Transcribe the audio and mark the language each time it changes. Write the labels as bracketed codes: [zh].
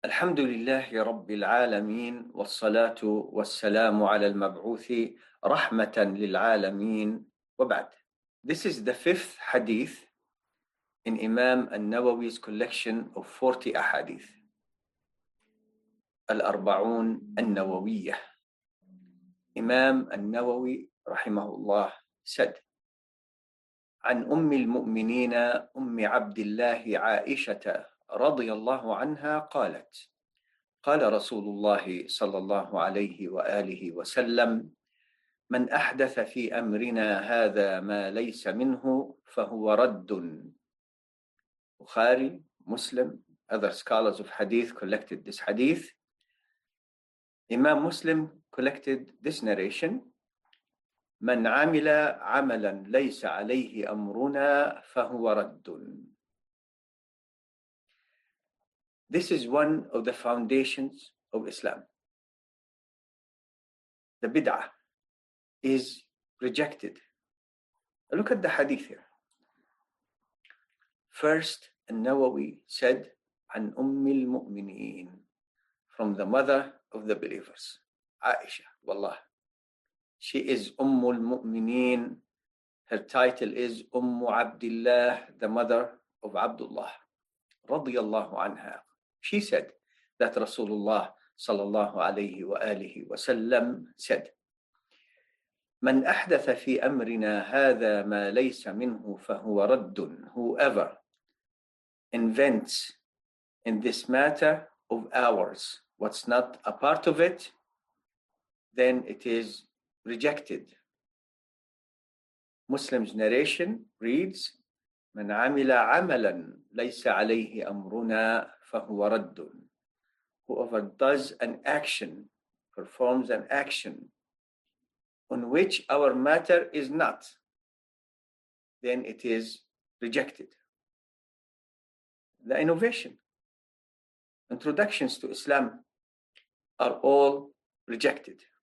[ar] الحمد لله رب العالمين، والصلاة والسلام على المبعوث رحمة للعالمين. [en] وبعد، This is the fifth hadith in Imam al-Nawawi's collection of 40 أحاديث. [ar] الأربعون النووية. Imam al-Nawawi رحمه الله said عن أم المؤمنين أم عبد الله عائشة رضي الله عنها قالت قال رسول الله صلى الله عليه وآله وسلم من أحدث في أمرنا هذا ما ليس منه فهو رد. [en] بخاري، مسلم، other scholars of hadith collected this hadith. Imam Muslim collected this narration. [ar] من عمل عملا ليس عليه أمرنا فهو رد. [en] This is one of the foundations of Islam. The bid'ah is rejected. Look at the hadith here. First, An-Nawawi said, [ar] عن أم المؤمنين, [en] from the mother of the believers, Aisha, [ar] والله. [en] She is [ar] أم المؤمنين. [en] Her title is [ar] أم عبد الله, [en] the mother of Abdullah, [ar] رضي الله عنها. [en] She said that Rasulullah sallallahu alayhi wa alihi wa sallam said, [ar] من أحدث في أمرنا هذا ما ليس منه فهو رد. [en] Whoever invents in this matter of ours what's not a part of it, then it is rejected. Muslim's narration reads, [ar] من عمل عملا ليس عليه أمرنا فهو رد. [en] Whoever does an action, performs an action on which our matter is not, then it is rejected. The innovation, introductions to Islam are all rejected.